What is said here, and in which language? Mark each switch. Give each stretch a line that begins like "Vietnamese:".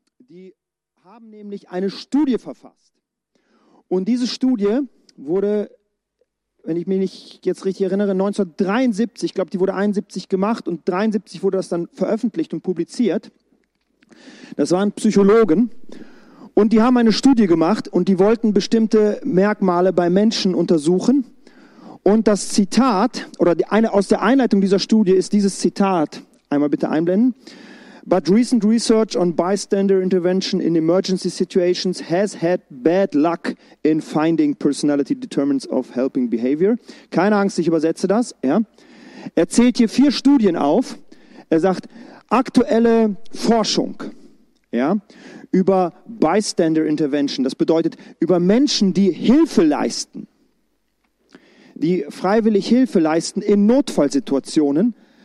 German: Die haben nämlich eine Studie verfasst. Und diese Studie wurde, wenn ich mich nicht jetzt richtig erinnere, 1973, ich glaube, die wurde 71 gemacht und 73 wurde das dann veröffentlicht und publiziert. Das waren Psychologen. Und die haben eine Studie gemacht und die wollten bestimmte Merkmale bei Menschen untersuchen. Und das Zitat, oder aus der Einleitung dieser Studie ist dieses Zitat, einmal bitte einblenden.
English: But recent research on bystander intervention in emergency situations has had bad luck in finding personality determinants of helping behavior.
German: Keine Angst, ich übersetze das. Ja. Er zählt hier 4 Studien auf. Er sagt, aktuelle Forschung, ja, über Bystander Intervention, das bedeutet über Menschen, die Hilfe leisten, die freiwillig Hilfe leisten in Notfallsituationen.